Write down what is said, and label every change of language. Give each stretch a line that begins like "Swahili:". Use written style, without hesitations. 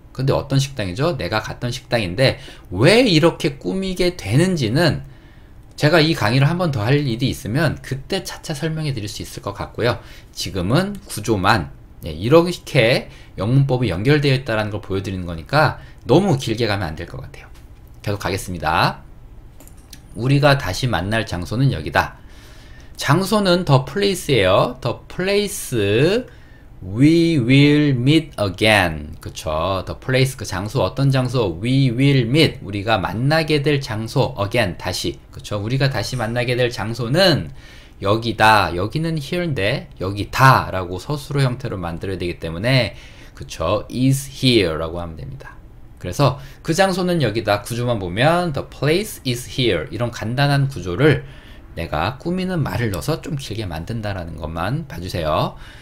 Korean: 근데 어떤 식당이죠? 내가 갔던 식당인데 왜 이렇게 꾸미게 되는지는 제가 이 강의를 한번더할 일이 있으면 그때 차차 설명해 드릴 수 있을 것 같고요. 지금은 구조만 이렇게 영문법이 연결되어 있다는 걸 보여드리는 거니까 너무 길게 가면 안될것 같아요. 계속 가겠습니다. 우리가 다시 만날 장소는 여기다. 장소는
English: the place
Korean: 예요.
English: The place we will meet again.
Korean: 그쵸?
English: The place
Korean: 그 장소 어떤 장소?
English: We will meet
Korean: 우리가 만나게 될 장소.
English: Again
Korean: 다시. 그쵸? 우리가 다시 만나게 될 장소는 여기다. 여기는
English: here
Korean: 인데 여기다라고 서술어 형태로 만들어야 되기 때문에 그쵸?
English: is here
Korean: 라고 하면 됩니다. 그래서 그 장소는 여기다 구조만 보면
English: the place is here
Korean: 이런 간단한 구조를 내가 꾸미는 말을 넣어서 좀 길게 만든다라는 것만 봐주세요.